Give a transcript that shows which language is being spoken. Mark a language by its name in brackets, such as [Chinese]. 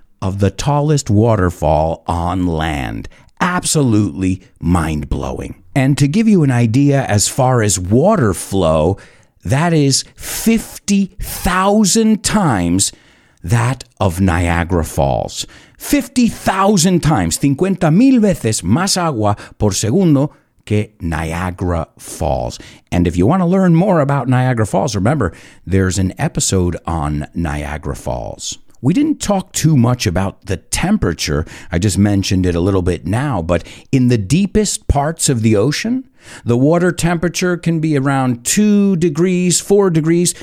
[English] of the tallest waterfall on land. Absolutely mind-blowing. And to give you an idea as far as water flow, that is 50,000 times that of Niagara Falls. 50,000 times, [Spanish] 50,000 veces más agua por segundo que Niagara Falls. [English] And if you want to learn more about Niagara Falls, remember, there's an episode on Niagara Falls. We didn't talk too much about the temperature. I just mentioned it a little bit now, but in the deepest parts of the ocean, the water temperature can be around 2 degrees, 4 degrees.